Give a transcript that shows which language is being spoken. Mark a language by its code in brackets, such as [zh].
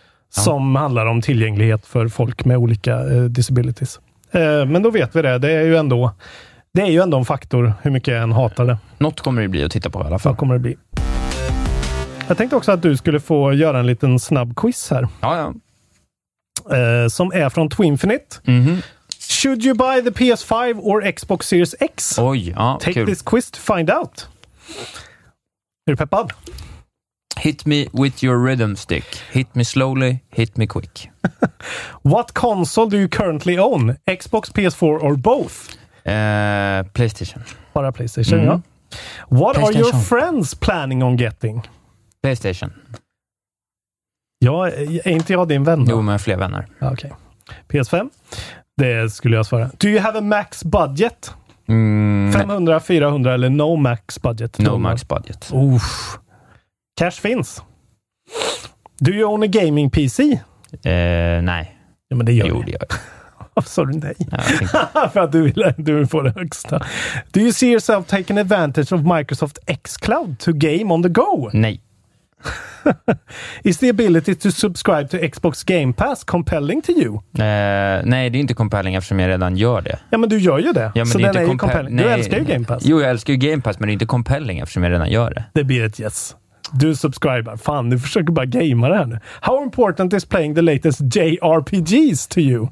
[sv] Som handlar om tillgänglighet för folk med olika disabilities. Men då vet vi det. Det är ju ändå en faktor hur mycket en hatar det. Något kommer det bli att titta på i alla fall. Vad kommer det bli? Jag tänkte också att du skulle få göra en liten snabb quiz här. Ja. Som är från Twinfinite. Mm-hmm. [en] Should you buy the PS5 or Xbox Series X? [sv] Oj, ja, [en] take [sv] kul. [en] This quiz to find out. [sv] Är du peppad? [en] Hit me with your rhythm stick. Hit me slowly, hit me quick. What console do you currently own? Xbox, PS4 or both? PlayStation. [sv] Bara PlayStation, mm-hmm. Ja. [en] What are your friends planning on getting? PlayStation. [sv] Ja, är inte jag din vän då? Jo, men fler vänner. [en] Okay. PS5? [sv] Det skulle jag svara. [en] Do you have a max budget? Mm, 500, 400 [sv] eller [en] no max budget? No max budget. [sv] Uff. Cash finns. [en] Do you own a gaming PC? [sv] Nej. Ja, men det gör jo, jag. Det gör jag. Sorry, nej. För att du vill få det högsta. [en] Do you see yourself taking advantage of Microsoft xCloud to game on the go? [sv] Nej. [en] Is the ability to subscribe to Xbox Game Pass compelling to you? [sv] Nej, det är inte compelling eftersom jag redan gör det. Ja, men du gör ju det. Ja, men så det är inte compelling. Nej, du älskar ju Game Pass. Jo, jag älskar ju Game Pass, men det är inte compelling eftersom jag redan gör det. Det blir ett yes. Du subscriber. Fan, du försöker bara gamea det här nu. [en] How important is playing the latest JRPGs to you?